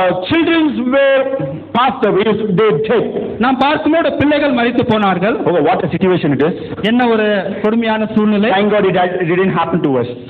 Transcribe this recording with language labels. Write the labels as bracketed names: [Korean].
[English] Children's were passed away, they dead. [Tamil] நாம் பார்க்கும்போது பிள்ளைகள் மரித்து போனார்கள். [English] Oh, what a situation it is. [Tamil] என்ன ஒரு கொடுமையான சூழ்நிலை. [English] Thank God it didn't happen to us.